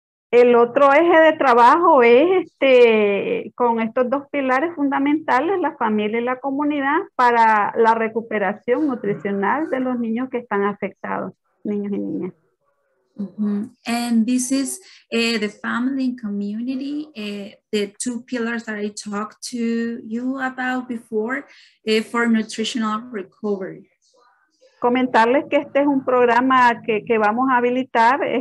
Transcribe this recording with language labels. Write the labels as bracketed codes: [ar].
[es] El otro eje de trabajo es con estos dos pilares fundamentales, la familia y la comunidad, para la recuperación nutricional de los niños que están afectados, niños y niñas. Mm-hmm. [en] And this is the family and community, the two pillars that I talked to you about before for nutritional recovery. [es] Comentarles que este es un programa que vamos a habilitar.